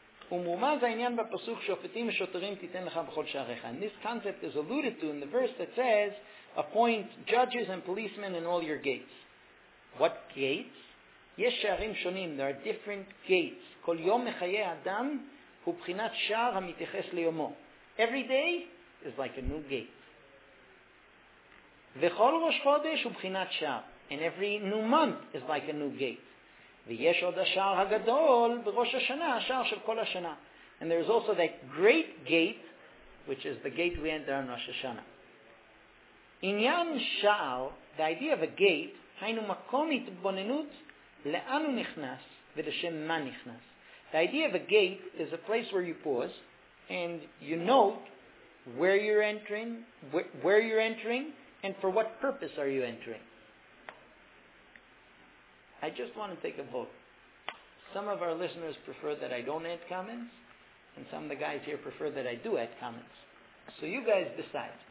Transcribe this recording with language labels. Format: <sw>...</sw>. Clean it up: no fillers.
<en>And this concept is alluded to in the verse that says, appoint judges and policemen in all your gates. What gates?</en> <he>Yesh sharim shonim.</he> <en>There are different gates.</en> <he>Kol yom mechaye adam hu b'chinat shar hamitiches leyomo.</he> <en>Every day is like a new gate.</en> <he>V'chol rosh chodesh hu b'chinat shar.</he> <en>And every new month is like a new gate.</en> <he>ויש עוד השער הגדול בראש השנה, השער של כל השנה.</he> <en>And there is also that great gate, which is the gate we enter on Rosh Hashanah.</en> <he>עניין שער,</he> <en>the idea of a gate,</en> <he>היינו מקום התבוננות לאן הוא נכנס ולשם מה נכנס.</he> <en>The idea of a gate is a place where you pause and you note where you're entering and for what purpose are you entering. I just want to take a vote. Some of our listeners prefer that I don't add comments, and some of the guys here prefer that I do add comments. So you guys decide.</en>